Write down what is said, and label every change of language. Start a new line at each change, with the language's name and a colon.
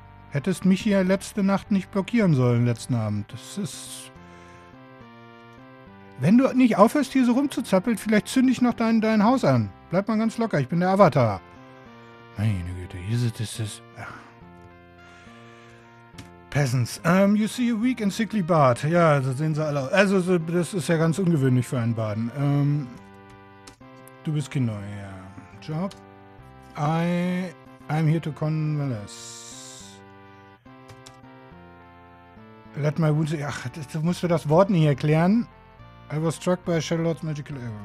German: Hättest mich hier letzte Nacht nicht blockieren sollen, letzten Abend. Das ist... Wenn du nicht aufhörst, hier so rumzuzappeln, vielleicht zünde ich noch dein Haus an. Bleib mal ganz locker, ich bin der Avatar. Meine Güte, ist es.
English: Peasants, you see a weak and sickly bard.
German: Ja, so sehen sie alle aus. Also, das ist ja ganz ungewöhnlich für einen Baden. Du bist genau, ja. Job.
English: I'm here to convalesce. Let my wounds...
German: Ach, du musst mir das Wort nicht erklären.
English: I was struck by Shadowlord's magical arrow.